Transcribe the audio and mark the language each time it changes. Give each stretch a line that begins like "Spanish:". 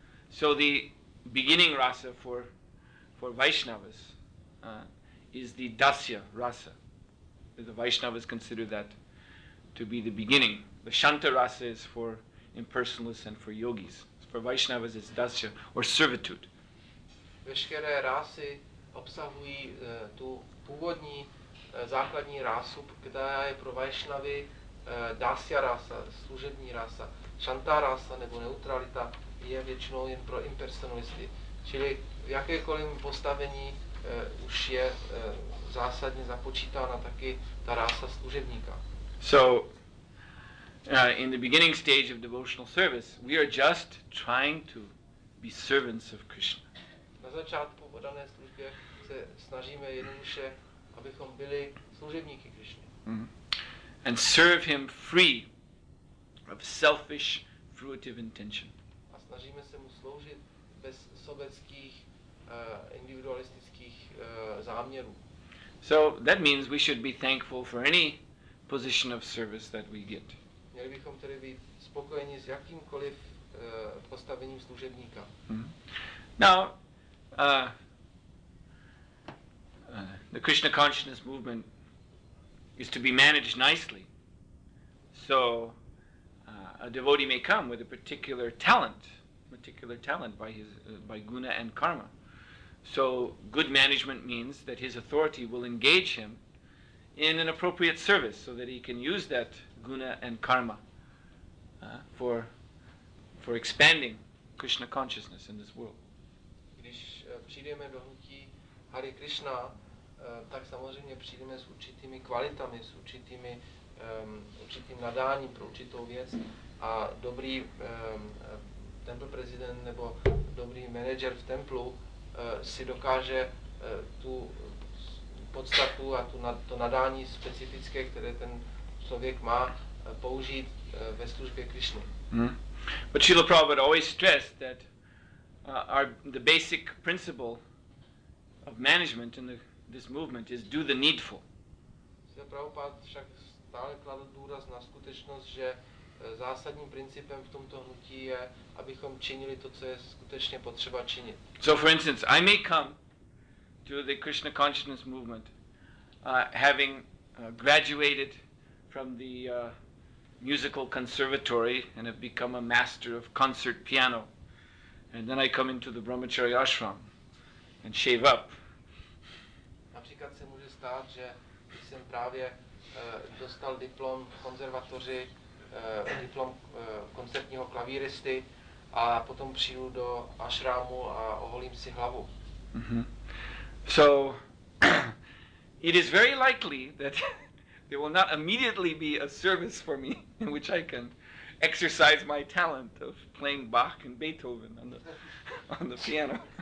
English: So the beginning rasa for Vaishnavas is the dasya rasa. The Vaishnavas consider that to be the beginning. The shanta rasa is for impersonalists and for yogis. For Vaishnavas it's dasya or servitude.
Czech: Veškeré rasy obsahují tu původní základní rasu, která je pro Vaishnavy dasya rasa, služební rasa. Shanta rasa nebo neutralita je většinou jen pro impersonalisty. Čili v jakékoliv postavení už je zásadně započítána taky ta rasa služebníka.
English: So, in the beginning stage of devotional service, we are just trying to be servants of Krishna.
Czech: Na začátku v dané službě se snažíme jednoduše, abychom byli služebníky Krishny.
English: And serve him free of selfish, fruitive intention.
Czech: A snažíme se mu sloužit bez sobeckých, individualistických záměrů.
English: So that means we should be thankful for any position of service that we get.
Czech: Měli bychom tedy být spokojeni s jakýmkoliv postavením služebníka.
English: Now, the Krishna consciousness movement is to be managed nicely. So a devotee may come with a particular talent by his by guna and karma. So good management means that his authority will engage him in an appropriate service so that he can use that guna and karma for expanding Krishna consciousness in this world.
Czech: Když přijdeme do hnutí Hare Krishna, tak samozřejmě přijdeme s určitými kvalitami, s určitým nadáním pro určitou věc a dobrý temple prezident nebo dobrý manager v templu si dokáže tu podstatu a to nadání specifické, které ten člověk má, použít ve službě Krišny.
English: But Srila Prabhupada always stressed that the basic principle of management in this movement is do the needful.
Czech: Srila Prabhupada však stále kladl důraz na skutečnost, že zásadním principem v tomto hnutí je, abychom činili to, co je skutečně potřeba činit.
English: So for instance, I may come to the Krishna consciousness movement having graduated from the musical conservatory and have become a master of concert piano, and then I come into the Brahmacharya ashram and shave up.
Czech: Například se může stát, že jsem právě dostal diplom v konzervatoři, diplom koncertního klavíristy, a potom přijdu do ashramu a oholím si hlavu.
English: So it is very likely that there will not immediately be a service for me in which I can exercise my talent of playing Bach and Beethoven on the piano.